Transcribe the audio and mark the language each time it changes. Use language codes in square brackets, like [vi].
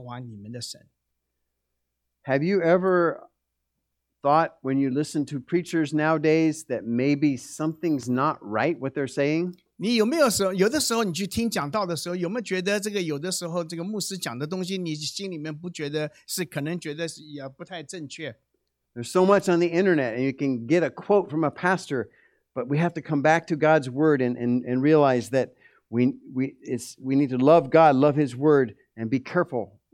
[zh] 因为这些人的话都是耶和华你神来试验你们的，要知道你们是否尽心尽性爱耶和华你们的神。 [en] Have you ever thought when you listen to preachers nowadays that maybe something's not right what they're saying? [zh] 你有没有时候你去听讲道的时候，有没有觉得这个有的时候这个牧师讲的东西，你心里面不觉得是可能觉得是也不太正确？ [en] There's so much on the internet, and you can get a quote from a pastor, but we have to come back to God's word and realize that we need to love God, love His word, and be careful.